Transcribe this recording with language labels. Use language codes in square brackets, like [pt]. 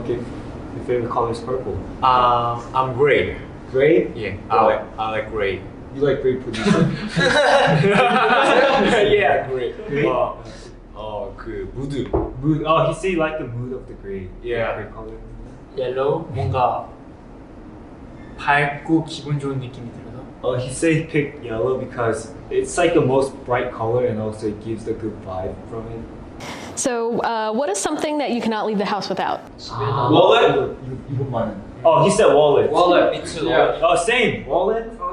[en] Okay. Your favorite color is purple. I'm gray. Gray? Yeah. Oh. I like gray. You like gray producer? Yeah, gray. Oh, good. Mood. Mood. Oh, he said like the mood of the gray. Yeah. Gray color. Yellow. [ko] 뭔가 밝고 기분 좋은 느낌이 들어서. [en] Oh, he said pick yellow because it's like the most bright color and also it gives the good vibe from it. So, what is something that you cannot leave the house without? Wallet? Oh, he said wallet. Wallet, me too. Yeah. Oh, same. Wallet?